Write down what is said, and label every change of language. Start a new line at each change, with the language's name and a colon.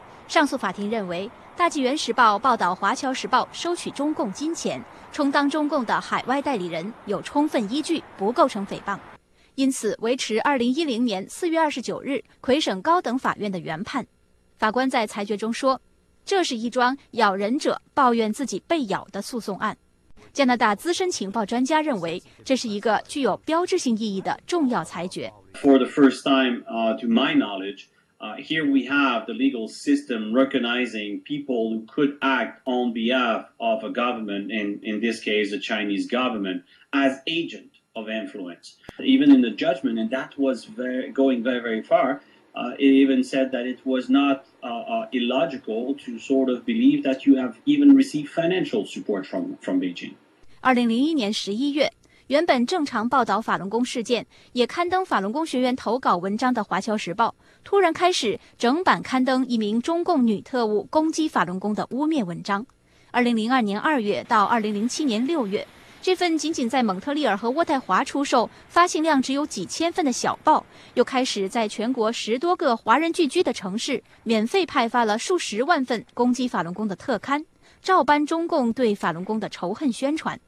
Chinese: 上诉法庭认为，《大纪元时报》报道《华侨时报》收取中共金钱，充当中共的海外代理人，有充分依据，不构成诽谤，因此维持2010年4月29日魁省高等法院的原判。法官在裁决中说，这是一桩咬人者抱怨自己被咬的诉讼案。加拿大资深情报专家认为，这是一个具有标志性意义的重要裁决。
English: For the first time, to my knowledge, here we have the legal system recognizing people who could act on behalf of a government, in this case, the Chinese government, as agent of influence. Even in the judgment, and that was going very, very far,it even said that it was not illogical to sort of believe that you have even received financial support from Beijing.
Chinese: 2001年11月，原本正常报道法轮功事件，也刊登法轮功学员投稿文章的《华侨时报》，突然开始整版刊登一名中共女特务攻击法轮功的污蔑文章。 2002年2月到2007年6月，这份仅仅在蒙特利尔和渥太华出售、发行量只有几千份的小报，又开始在全国十多个华人聚居的城市免费派发了数十万份攻击法轮功的特刊，照搬中共对法轮功的仇恨宣传。